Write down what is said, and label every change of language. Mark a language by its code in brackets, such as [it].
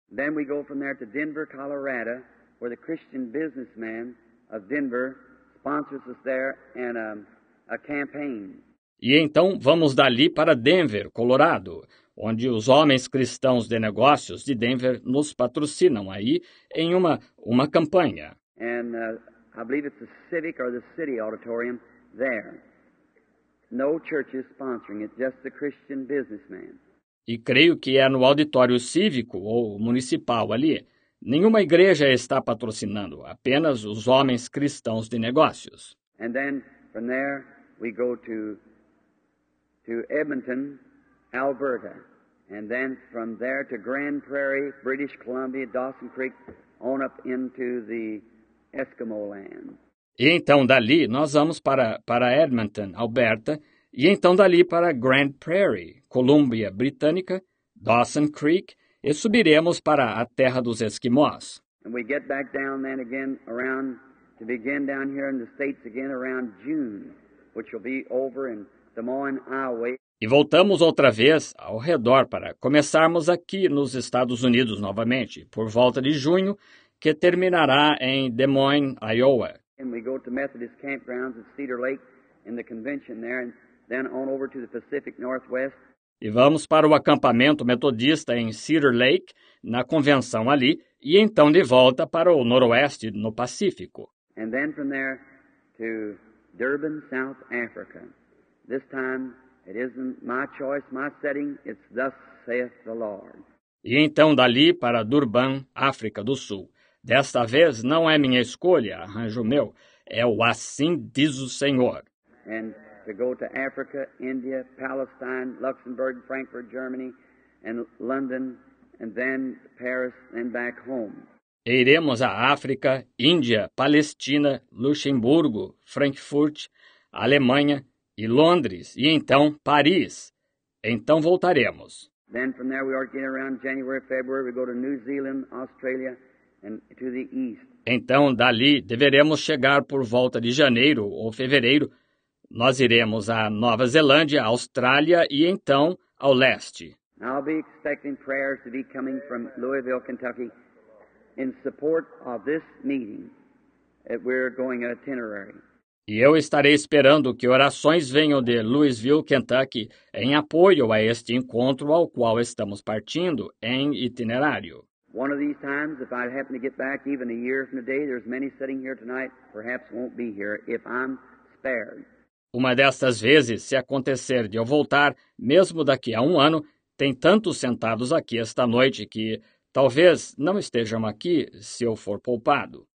[en] Then we go from there to Denver, Colorado, where the Christian businessman of Denver sponsors us there and a campaign. [pt] E então vamos dali para Denver, Colorado, onde os homens cristãos de negócios de Denver nos patrocinam aí em uma campanha. [en] And I believe it's the Civic or the City Auditorium there. No church is sponsoring it, just the Christian businessman. [pt] E creio que é no auditório cívico ou municipal ali. Nenhuma igreja está patrocinando, apenas os homens cristãos de negócios. [en] And then from there we go to Edmonton, Alberta, and then from there to Grand Prairie, British Columbia, Dawson Creek, on up into the Eskimo land. [pt] E então dali nós vamos para Edmonton, Alberta, e então dali para Grand Prairie, Colômbia Britânica, Dawson Creek, e subiremos para a terra dos Esquimós. [en] And we get back down then again around to begin down here in the States again around June, which will be over in Des Moines, Iowa. [pt] E voltamos outra vez ao redor para começarmos aqui nos Estados Unidos novamente, por volta de junho, que terminará em Des Moines, Iowa. [en] And we go to Methodist campgrounds at Cedar Lake in the convention there, and then on over to the Pacific Northwest. [pt] E vamos para o acampamento metodista em Cedar Lake, na convenção ali, e então de volta para o noroeste no Pacífico. [en] And then from there to Durban, South Africa. This time it isn't my choice, my setting, it's thus saith the Lord. [pt] E então dali para Durban, África do Sul. Desta vez não é minha escolha, arranjo meu. É o assim diz o Senhor. [en] And to go to Africa, India, Palestine, Luxembourg, Frankfurt, Germany, and London, and then Paris, and back home. [pt] E iremos à África, Índia, Palestina, Luxemburgo, Frankfurt, Alemanha e Londres, e então Paris. Então voltaremos. [en] Then from there we are getting around January, February, we go to New Zealand, Australia, and to the east. [pt] Então dali deveremos chegar por volta de janeiro ou fevereiro. Nós iremos à Nova Zelândia, Austrália e então ao leste. [en] I'll be expecting prayers to be coming from Louisville, Kentucky, in support of this meeting that we're going itinerary. [pt] E eu estarei esperando que orações venham de Louisville, Kentucky, em apoio a este encontro ao qual estamos partindo em itinerário. [en] One of these times, if I happen to get back even a year from today, there's many sitting here tonight, perhaps won't be here if I'm spared. [pt] Uma destas vezes, se acontecer de eu voltar, mesmo daqui a um ano, tem tantos sentados aqui esta noite que talvez não estejam aqui se eu for poupado.